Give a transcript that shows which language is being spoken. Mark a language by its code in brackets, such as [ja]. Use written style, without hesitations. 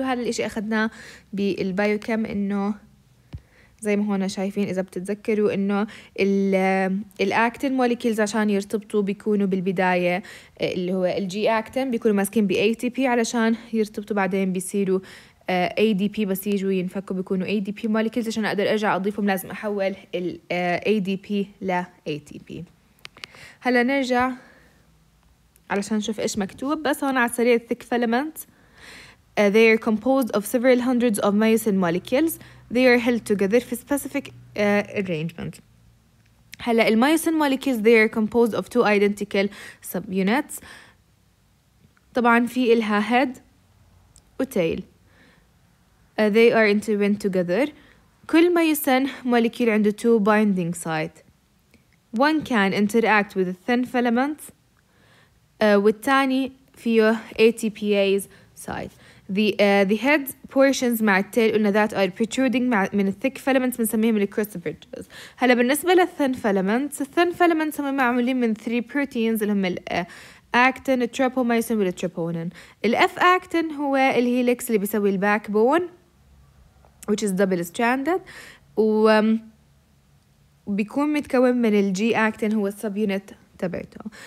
[ar] وهذا الاشي اخذناه بالبايوكيم انه زي ما هون شايفين اذا بتتذكروا انه الاكتين موليكيلز عشان يرتبطوا بيكونوا بالبدايه اللي هو الجي اكتين بيكونوا ماسكين بي تي بي علشان يرتبطوا بعدين بيصيروا اي دي بي بس يجوا ينفكوا بيكونوا اي دي بي موليكيلز. عشان اقدر ارجع اضيفهم لازم احول الاي دي بي ل اي تي بي. هلا نرجع علشان نشوف ايش مكتوب. بس هون على السريع الثيك فيلمنت [en] They are composed of several hundreds of myosin molecules. They are held together for specific arrangement. [ar] هلا الميوسين مولكيز [en] they are composed of two identical subunits. [ar] طبعا في إلها head وtail. [en] They are interwined together. [ar] كل ميوسين مولكيل عنده [en] two binding sites. One can interact with a thin filament. [ar] والتاني فيه ATPase site. [en] The head portions [ar] مع التيل قلنا [en] that are protruding [ar] مع من [en] thick filaments [ar] بنسميهم [en] the cross bridges. [ar] هلا بالنسبة للthin filaments, thin filaments هم معمولين من three proteins اللي هم الactin, tropomyosin والtroponin. الf actin هو الهيليكس اللي بيسوي backbone [en] which is double stranded [ar] وبيكون متكون من الg actin هو subunit تبعته.